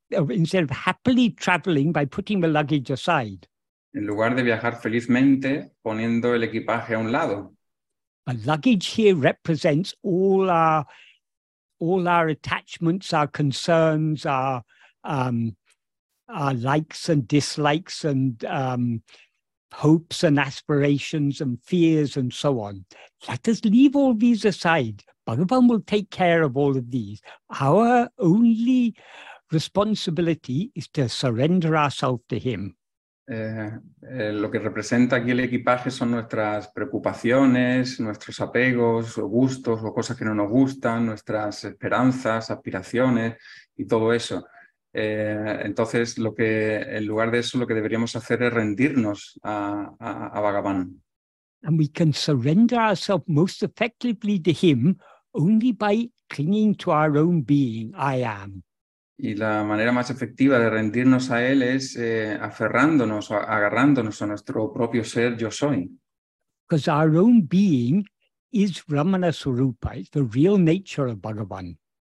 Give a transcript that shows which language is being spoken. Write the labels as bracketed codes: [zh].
[en] Instead of happily traveling by putting the luggage aside. [es] En lugar de viajar felizmente poniendo el equipaje a un lado. [en] The luggage here represents all our attachments, our concerns, our likes and dislikes and hopes and aspirations and fears and so on. Let us leave all these aside. Bhagavan will take care of all of these. Our only responsibility is to surrender ourselves to him. [es] Lo que representa aquí el equipaje son nuestras preocupaciones, nuestros apegos o gustos o cosas que no nos gustan, nuestras esperanzas, aspiraciones y todo eso. Entonces, en lugar de eso, lo que deberíamos hacer es rendirnos a Bhagavan. [en] And we can surrender ourselves most effectively to him only by clinging to our own being, I am. [es] Y la manera más efectiva de rendirnos a él es aferrándonos o agarrándonos a nuestro propio ser, yo soy. [en] Because our own being is Ramana Swarupa, it's the real nature of Bhagavan.